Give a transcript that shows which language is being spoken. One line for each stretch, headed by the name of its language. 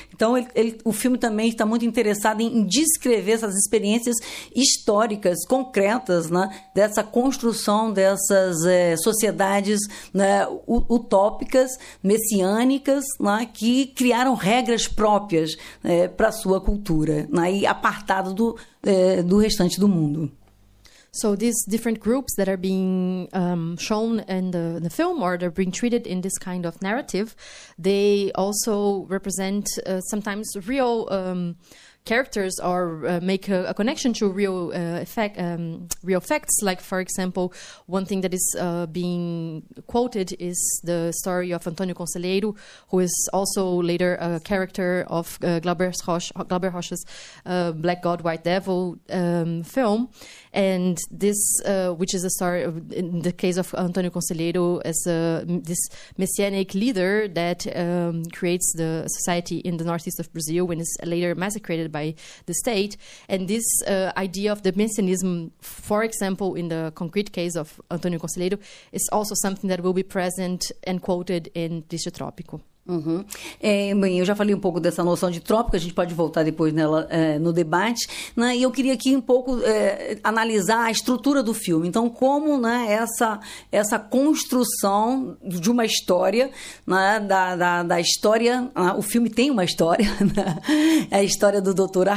Portuguese: Então o filme também está muito interessado em descrever essas experiências históricas, concretas, né, dessa construção dessas sociedades, né, utópicas, messiânicas, né, que criaram regras próprias para a sua cultura, né, e apartado do restante do mundo.
English: So these different groups that are being shown in the film, or they're being treated in this kind of narrative, they also represent sometimes real characters, or make a connection to real real facts. Like, for example, one thing that is being quoted is the story of Antonio Conselheiro, who is also later a character of Glauber Rocha's Black God, White Devil film. And this, which is a story of, in the case of Antonio Conselheiro, as this messianic leader that creates the society in the northeast of Brazil, when it's later massacred by the state. And this idea of the messianism, for example, in the concrete case of Antonio Conselheiro, is also something that will be present and quoted in TRÓPICO.
Portuguese: Bem, eu já falei um pouco dessa noção de trópico, a gente pode voltar depois nela no debate, né? E eu queria aqui um pouco analisar a estrutura do filme. Então, como, né, essa construção de uma história, né, da história, o filme tem uma história, né? É a história do Dr.